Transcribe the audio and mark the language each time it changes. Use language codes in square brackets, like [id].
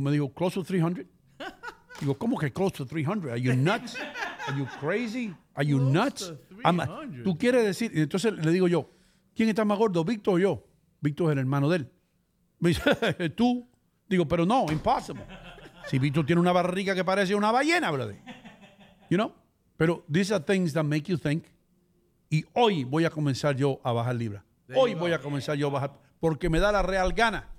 [es] Me dijo, [en] close to 300? [es] Digo, ¿cómo que [en] close to 300? Are you nuts? Are you crazy? Are you close nuts? I'm a, [es] tú quieres decir... Entonces le digo yo, ¿quién está más gordo, Víctor o yo? Víctor es el hermano de él. Me dice, ¿tú? Digo, pero no, [en] impossible. [es] Si Víctor tiene una barriga que parece una ballena, brother. [en] You know? Pero these are things that make you think. [es] Y hoy voy a comenzar yo a bajar libras. Hoy voy a comenzar yo a bajar porque me da la real gana.